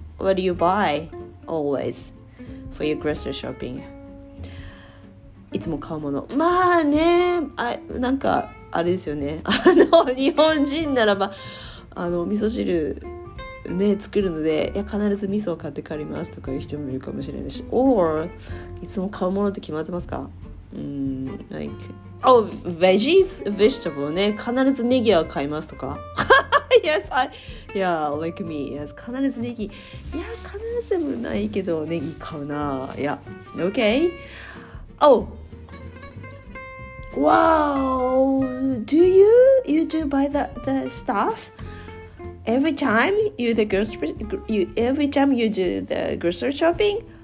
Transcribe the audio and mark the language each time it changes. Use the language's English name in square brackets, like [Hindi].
[English] What do you buy always for your grocery shopping? [Japanese] いつも買うもの。まあね、なんか、あれですよね。日本人ならば、味噌汁ね、作るので、いや、必ず味噌を買って帰りますとかいう人もいるかもしれないし。 Or、いつも買うものって決まってますか? [English] veggies? Vegetable ね。 [Japanese] 必ずネギは買いますとか。 [English] yes, I, yeah, like me. Yes, [Japanese] 必ずネギ。いや、必ずもないけど、ネギ買うな。 [English] Yeah, okay. Oh, wow, do you buy the stuff every time you do the grocery shopping?